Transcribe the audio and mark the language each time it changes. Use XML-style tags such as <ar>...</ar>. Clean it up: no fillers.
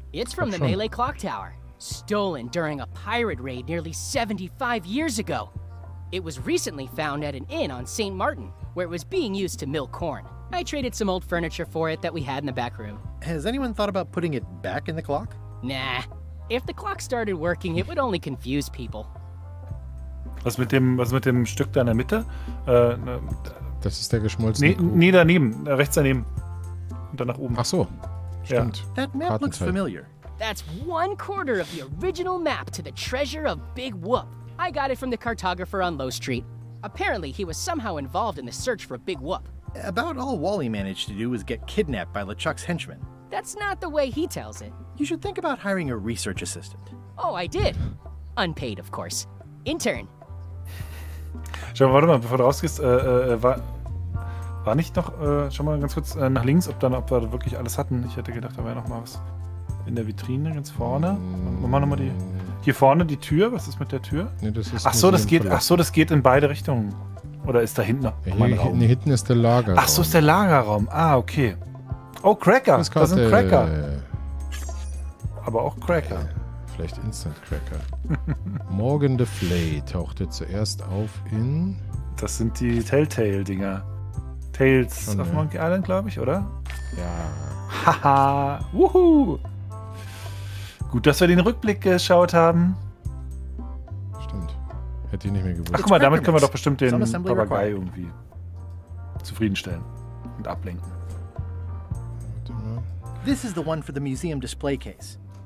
<en>It's from the Melee Clock Tower. Stolen during a pirate raid nearly 75 years ago. It was recently found at an inn on St. Martin, where it was being used to mill corn. I traded some old furniture for it that we had in the back room. Has anyone thought about putting it back in the clock? Nah. If the clock started working, it would only confuse people.</en> <de>Was mit dem Stück da in der Mitte? Das ist der geschmolzene Kuchen. Nee, daneben. Rechts daneben. Und dann nach oben. Ach so. Stimmt. Ja.</de> <en>That map looks familiar. That's one quarter of the original map to the treasure of Big Whoop. I got it from the cartographer on Low Street. Apparently, he was somehow involved in the search for Big Whoop. About all Wally managed to do was get kidnapped by LeChuck's henchmen. That's not the way he tells it. You should think about hiring a research assistant. Oh, I did. Unpaid, of course. Intern.</en> <de>Schau mal, warte mal, bevor du rausgehst, war nicht noch, schau mal ganz kurz nach links, ob wir wirklich alles hatten. Ich hätte gedacht, da wäre noch mal was in der Vitrine, ganz vorne. Mach mal nochmal die, hier vorne die Tür, was ist mit der Tür? Nee, das ist das geht in beide Richtungen. Oder ist da hinten noch? Ja, hinten ist der Lagerraum. Ach so, ist der Lagerraum. Ah, okay. Oh, Cracker. Das sind Cracker. Aber auch Cracker. Vielleicht Instant Cracker. Morgan the Flay tauchte zuerst auf in... Das sind die Telltale-Dinger. Tales schon, of Monkey Island, glaube ich, oder? Ja. Haha. Wuhu. Gut, dass wir den Rückblick geschaut haben. Stimmt. Hätte ich nicht mehr gewusst. Ach, guck mal, damit können wir doch bestimmt den Papagei irgendwie zufriedenstellen und ablenken.</de> <en>This is the one for the museum display case.</en>